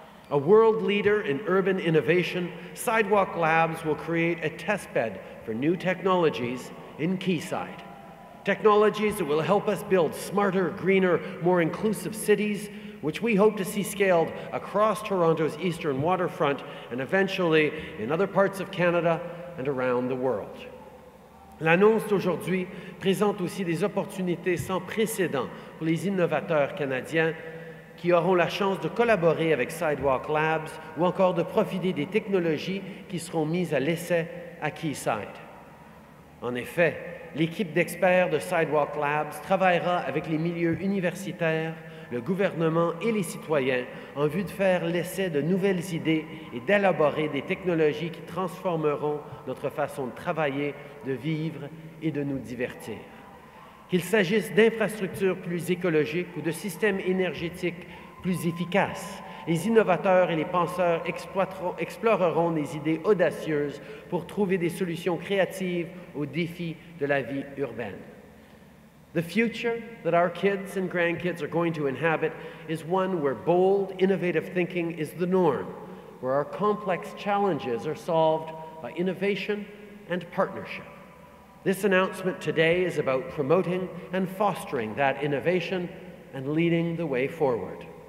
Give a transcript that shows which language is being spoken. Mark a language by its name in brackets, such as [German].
[English] A world leader in urban innovation, Sidewalk Labs will create a testbed for new technologies in Quayside. Technologies that will help us build smarter, greener, more inclusive cities, which we hope to see scaled across Toronto's eastern waterfront and eventually in other parts of Canada and around the world. [French] L'annonce d'aujourd'hui présente aussi des opportunités sans précédent pour les innovateurs canadiens qui auront la chance de collaborer avec Sidewalk Labs ou encore de profiter des technologies qui seront mises à l'essai à Quayside. En effet, l'équipe d'experts de Sidewalk Labs travaillera avec les milieux universitaires, le gouvernement et les citoyens en vue de faire l'essai de nouvelles idées et d'élaborer des technologies qui transformeront notre façon de travailler, de vivre et de nous divertir. Qu'il s'agisse d'infrastructures plus écologiques ou de systèmes énergétiques plus efficaces, les innovateurs et les penseurs exploreront des idées audacieuses pour trouver des solutions créatives aux défis de la vie urbaine. [English] The future that our kids and grandkids are going to inhabit is one where bold, innovative thinking is the norm, where our complex challenges are solved by innovation and partnership. This announcement today is about promoting and fostering that innovation and leading the way forward.